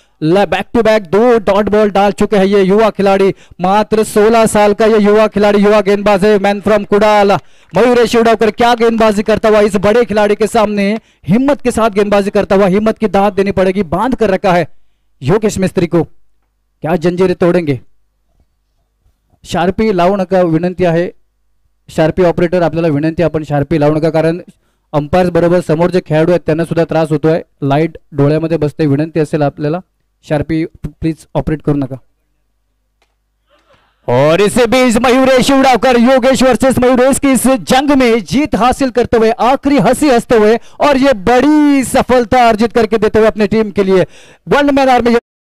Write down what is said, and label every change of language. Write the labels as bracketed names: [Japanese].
[Hindi] Back to back 2 dot ball डाल चुके हैं ये युवा खिलाड़ी, मात्र 16 साल का ये युवा खिलाड़ी, युवा गेंदबाज है मैन फ्रॉम कुडाल मयूरेश शिवड़ावकर, क्या गेंदबाजी करता हुआ इस बड़े खिलाड़ी के सामने, हिम्मत के साथ गेंदबाजी करता हुआ, हिम्मत की दाद देनी पड़ेगी, बांध कर रखा है योगेश मिस्त्री को, क्या जंजीरें तोड़ेंगे। [Marathi] शार्पी लावू नका विनंती आहे, शार्पी ऑपरेटर आपल्याला विनंती आपण शार्पी लावू नका, कारण अंपायर्स बरोबर समोर जे खेळाडू आहेत त्यांना सुद्धा त्रास होतोय, लाईट डोळ्यामध्ये बसते, विनंती असेल आपल्याला शार्पी प्लीज ऑपरेट करू नका। [Hindi] और इसे बीच मयूरेश शिवडावकर योगेश वर्सेस मयूरेश की इस जंग में जीत हासिल करते हुए आखिरी हंसी हंसते हुए और ये बड़ी सफलता अर्जित करके देते हुए अपने टीम के लिए वन मैन आर्मी।